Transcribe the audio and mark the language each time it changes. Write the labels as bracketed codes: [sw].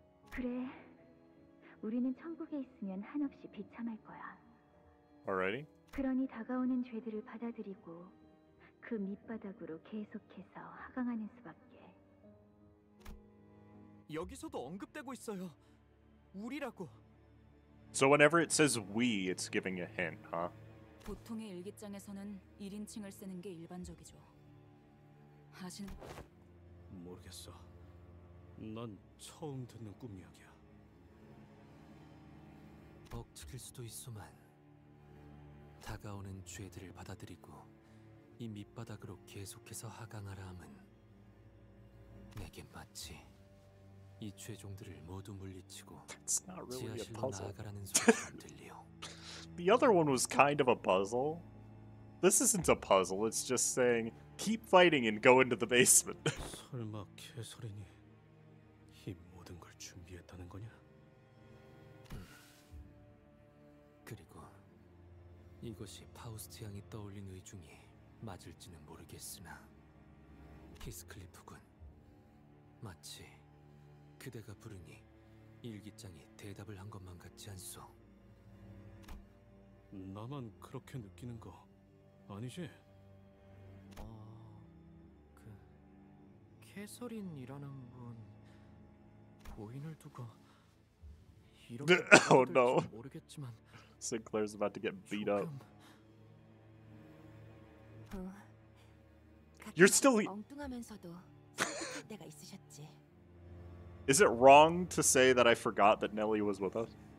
[ko] 그래, 우리는 천국에 있으면 한없이 비참할 거야. [en] Alrighty. [ko] 그러니 다가오는 죄들을 받아들이고 그 밑바닥으로 계속해서 하강하는 수밖에. 여기서도 언급되고 있어요. 우리라고. [en] So whenever it says we, it's giving a hint, huh? [ko] 보통의 일기장에서는 1인칭을 쓰는 게 일반적이죠. 하신 모르겠어. 난 처음 듣는 꿈 이야기야. 억측일 수도 있어만 다가오는 죄들을 받아들이고 이 밑바닥으로 계속해서 하강하라 함은 내게 마치 이 죄종들을 모두 물리치고 [en] really [ko] 지하실로 나아가라는 소리처럼 들려. [en] The other one was kind of a puzzle. This isn't a puzzle. It's just saying keep fighting and go into the basement. [ko] 설마 캐서린이 이 모든 걸 준비했다는 거냐? 그리고 이것이 파우스트 향이 떠올린 의중이 맞을지는 모르겠으나 히스클리프군, 마치 그대가 부르니 일기장이 대답을 한 것만 같지 않소? 나만 그렇게 느끼는 거 아니지? 그 캐서린이라는 분 고인을 두고 이렇게 말할지 모르겠지만 [en] Sinclair's about to get beat up. You're still [ko] 엉뚱하면서도 성급할 때가 있으셨지. [en] Is it wrong to say that I forgot that Nelly was with us?